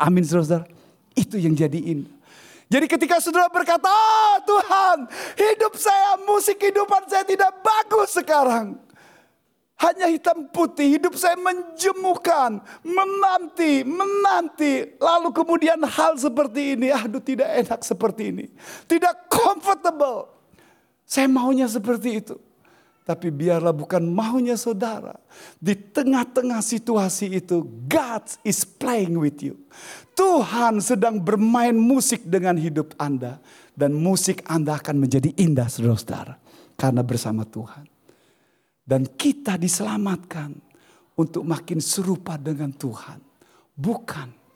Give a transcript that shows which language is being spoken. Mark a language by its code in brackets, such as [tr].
[id] Amin saudara, itu yang jadi indah. Jadi ketika saudara berkata, oh Tuhan, hidup saya, musik kehidupan saya tidak bagus sekarang. Hanya hitam putih, hidup saya menjemukan, menanti, menanti. Lalu kemudian hal seperti ini, aduh tidak enak seperti ini. Tidak comfortable. Saya maunya seperti itu. Tapi biarlah bukan maunya saudara. Di tengah-tengah situasi itu, [en] God is playing with you. [id] Tuhan sedang bermain musik dengan hidup Anda. Dan musik Anda akan menjadi indah saudara-saudara. Karena bersama Tuhan. Dan kita diselamatkan untuk makin serupa dengan Tuhan. Bukan.